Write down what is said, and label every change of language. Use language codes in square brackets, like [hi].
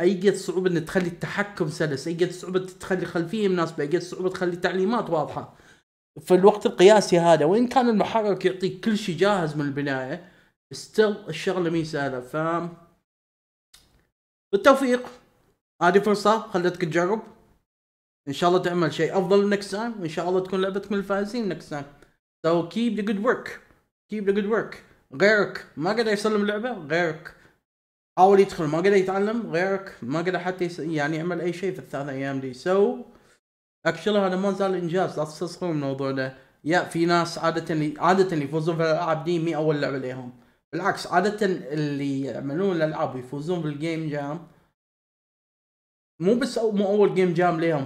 [ar] أي قد صعوبة إن تخلي التحكم سلس, أي قد صعوبة تخلي خلفية مناسبة, أي قد صعوبة تخلي تعليمات واضحة في الوقت القياسي هذا. وإن كان المحرك يعطيك كل شيء جاهز من البناية استل الشغلة مي سهلة. ف بالتوفيق, هذه فرصة خلتك تجرب, إن شاء الله تعمل شيء أفضل [en] next time, [ar] وإن شاء الله تكون لعبتك من الفائزين [en] next time. So keep the good work, keep the good work. [ar] غيرك ما قدر يسلم لعبة, غيرك حاول يدخل ما قدر يتعلم, غيرك ما قدر حتى يعني يعمل اي شيء في الثلاث ايام دي. [en] so actually [ar] هذا ما زال انجاز, لا تستصغر الموضوع ده. يا في ناس عاده اللي يفوزون في الالعاب دي مي اول لعبه لهم, بالعكس عاده اللي يعملون الالعاب يفوزون بالجيم جام مو بس مو اول جيم جام لهم.